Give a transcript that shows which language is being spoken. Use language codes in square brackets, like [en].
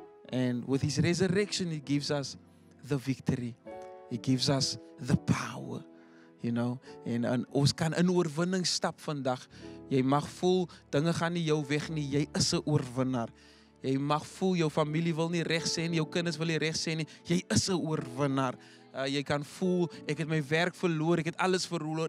[en] And with his resurrection, he gives us the victory. He gives us the power, you know. [af] En ons kan in oorwinning stap vandag. Jy mag voel, dinge gaan nie jou weg nie. Jy is 'n oorwinnaar. Jy mag voel, jou familie wil nie reg sê nie. Jou kinders wil nie reg sê nie. Jy is 'n oorwinnaar. Jy kan voel, ek het my werk verloor, ek het alles verloor.